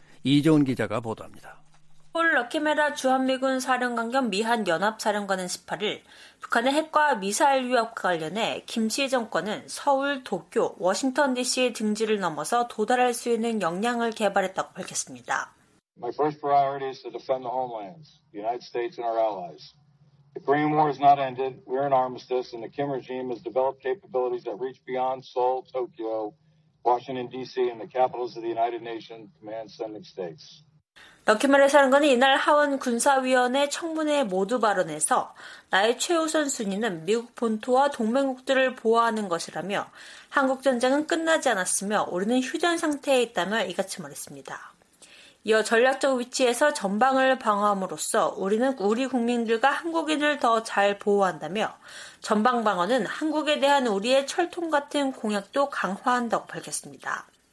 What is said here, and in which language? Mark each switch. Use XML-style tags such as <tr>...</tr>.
<ko>이종훈 기자가 보도합니다. 폴 러키메라 주한미군 사령관 겸 미한 연합사령관은 18일 북한의 핵과 미사일 위협과 관련해 김씨 정권은 서울, 도쿄, 워싱턴 DC의 등지를 넘어서 도달할 수 있는 역량을 개발했다고 밝혔습니다.</ko> <en>My first priority is to defend the homelands, the United States and our allies. The Korean War is not ended. We're in armistice and the Kim regime has developed capabilities that reach beyond Seoul, Tokyo, Washington DC and the capitals of the United Nations command sending states.</en> <ko>러키메라 사령관은 이날 하원 군사위원회 청문회 모두 발언에서 나의 최우선 순위는 미국 본토와 동맹국들을 보호하는 것이라며 한국전쟁은 끝나지 않았으며 우리는 휴전상태에 있다며 이같이 말했습니다. 이어 전략적 위치에서 전방을 방어함으로써 우리는 우리 국민들과 한국인을 더 잘 보호한다며 전방방어는 한국에 대한 우리의 철통 같은 공약도 강화한다고 밝혔습니다.</ko>